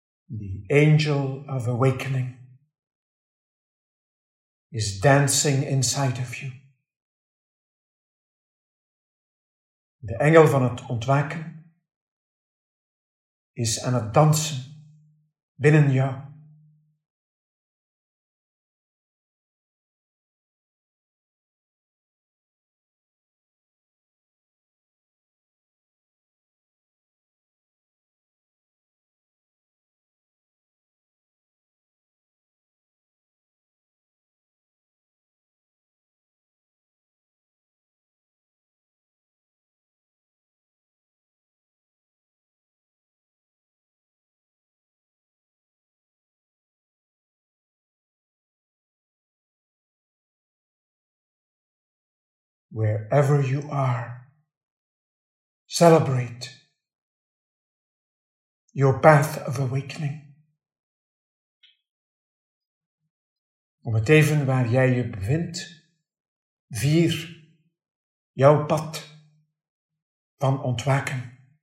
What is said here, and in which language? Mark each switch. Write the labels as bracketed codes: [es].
[en] The angel of awakening is dancing inside of you. [nl] De engel van het ontwaken is aan het dansen binnen jou. [en] Wherever you are, celebrate your path of awakening. [nl] Om het even waar jij je bevindt, vier jouw pad van ontwaken.